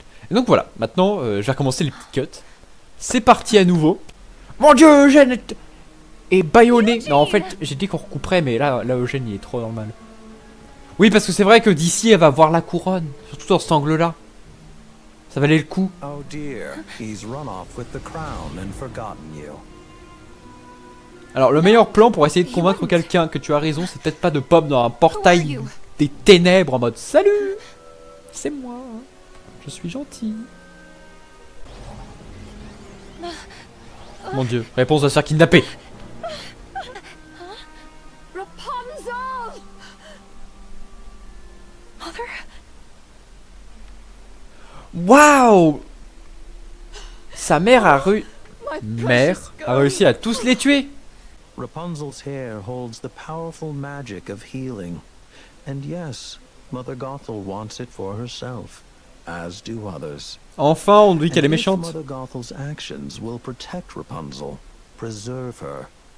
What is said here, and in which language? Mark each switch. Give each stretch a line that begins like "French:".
French: Et donc voilà, maintenant, je vais recommencer les petits cuts. C'est parti à nouveau. Mon dieu, Eugène est baïonné. Non, en fait, j'ai dit qu'on recouperait, mais là, Eugène, il est trop normal. Oui, parce que c'est vrai que d'ici, elle va voir la couronne, surtout dans cet angle-là. Ça valait le coup.
English: Oh dear, he's run off with the crown and forgotten you.
French: Alors, le meilleur plan pour essayer de convaincre quelqu'un que tu as raison, c'est peut-être pas de pop dans un portail des ténèbres en mode « Salut, c'est moi, je suis gentil. » Mon dieu, réponse va se faire kidnapper. Rapunzel. Waouh. Sa mère a réussi à tous les tuer.
English: Rapunzel's hair holds the powerful magic of healing. And yes, Mother Gothel wants it for herself, as do others.
French: Enfin, on dit qu'elle est méchante.
English: Mother Gothel's actions will protect Rapunzel, preserve her.